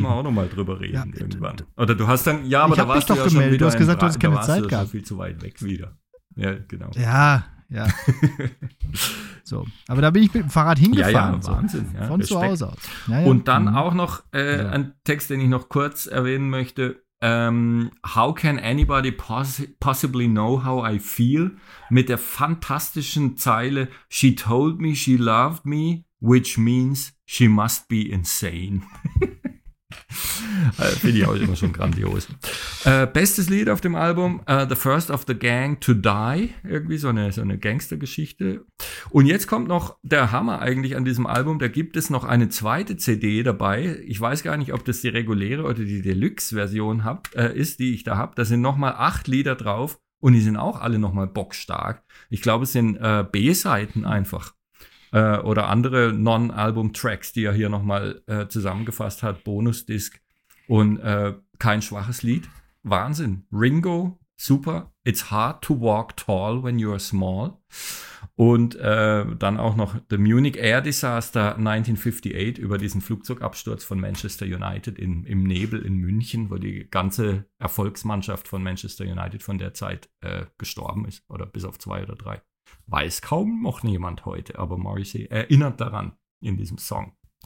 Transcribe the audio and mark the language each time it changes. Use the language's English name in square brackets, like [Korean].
[German] wir auch noch mal drüber reden irgendwann. Oder du hast dann, ja, aber ich da warst du doch gemeldet. Du hast gesagt, du hast keine Zeit gehabt. Viel zu weit weg wieder. Ja, genau. Ja. So, aber da bin ich mit dem Fahrrad hingefahren. Ja, Wahnsinn. Ja, von Respekt. Zu Hause aus. Und dann auch noch ein Text, den ich noch kurz erwähnen möchte. [English] How can anybody possibly know how I feel? [German] Mit der fantastischen Zeile, [English] she told me she loved me, which means she must be insane. [German] Finde ich auch immer schon grandios. Bestes Lied auf dem Album, The First of the Gang to Die. Irgendwie so eine Gangstergeschichte. Und jetzt kommt noch der Hammer eigentlich an diesem Album. Da gibt es noch eine zweite CD dabei. Ich weiß gar nicht, ob das die reguläre oder die Deluxe-Version ist, die ich da habe. Da sind nochmal 8 Lieder drauf und die sind auch alle nochmal bockstark. Ich glaube, es sind B-Seiten einfach. Oder andere Non-Album-Tracks, die er hier nochmal zusammengefasst hat, Bonus-Disc und kein schwaches Lied. Wahnsinn. Ringo, super. [English] It's hard to walk tall when you're small. [German] Und dann auch noch The Munich Air Disaster 1958 über diesen Flugzeugabsturz von Manchester United im Nebel in München, wo die ganze Erfolgsmannschaft von Manchester United von der Zeit gestorben ist oder bis auf 2 oder 3. Weiß kaum noch jemand heute, aber Morrissey erinnert daran in diesem Song.